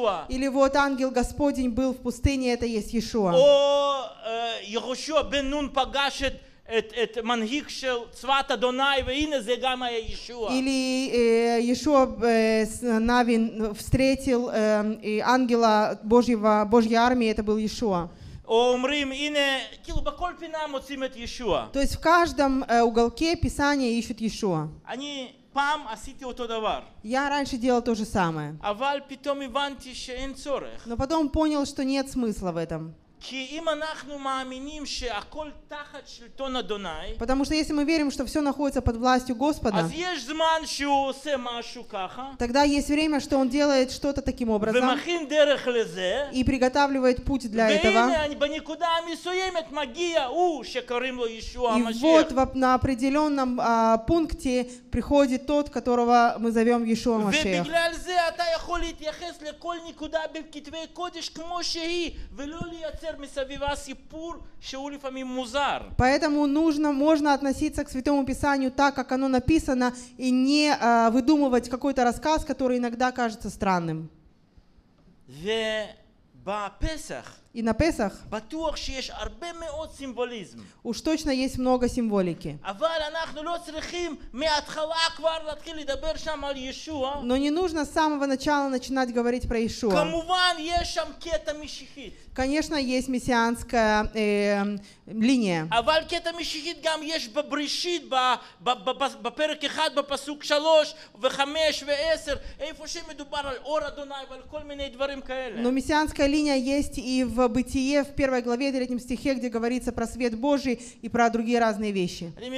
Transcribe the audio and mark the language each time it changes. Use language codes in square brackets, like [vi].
[ru] Или вот ангел Господень был в пустыне, это есть Иешуа. [he] Йехошуа бен Нун погашет את מנהיג של צבאות אדוני, והנה זה גם היה ישוע. [ru] Или Иешуа Навин встретил ангела Божьего, Божьей армии, это был Иешуа. [he] אומרים, הנה, כאילו בכל פינה מוצאים את ישוע. [ru] То есть в каждом уголке Писания ищут ישוע. [he] אני פעם עשיתי אותו דבר. [ru] Я раньше делал то же самое. [he] אבל פתאום הבנתי שאין צורך. [ru] Но потом понял, что нет смысла в этом. [he] כי אם אנחנו מאמינים שהכל תחת שלטון אדוני, [ru] потому что если мы верим, что все находится под властью Господа, [he] אז יש זמן שהוא עושה משהו ככה, [ru] тогда есть время, что он делает что-то таким образом, [he] ומכין דרך לזה, [ru] и приготавливает путь для этого, [he] והנה בנקודה המסוימת מגיע הוא שקוראים לו ישוע המשיח. [ru] И вот на определенном пункте приходит тот, которого мы зовем Иешуа Машех. [he] ובגלל זה אתה יכול להתייחס לכל נקודה בכתבי קודש כמו שהיא, ולא להיות מסביבה סיפור שהוא לפעמים מוזר. [ru] Поэтому нужно, можно относиться к Святому Писанию так, как оно написано, и не выдумывать какой-то рассказ, который иногда кажется странным. [he] ובפסח, [ru] и на Песах, [he] בטוח שיש הרבה מאוד סימבוליזם. [ru] Уж точно есть много символики. [he] אבל אנחנו לא צריכים מההתחלה כבר להתחיל לדבר שם על ישוע. [ru] Но не нужно с самого начала начинать говорить про Иешуа. [he] כמובן יש שם קטע משיחית. [ru] Конечно, есть мессианская линия. [he] אבל קטע משיחית גם יש בברישית, בפרק 1, בפסוק 3, ו-5, ו-10, איפה שמדובר על אור אדוני ועל כל מיני דברים כאלה. [ru] Но мессианская линия есть и в Бытие, в 1 главе, 3 стихе, где говорится про свет Божий и про другие разные вещи.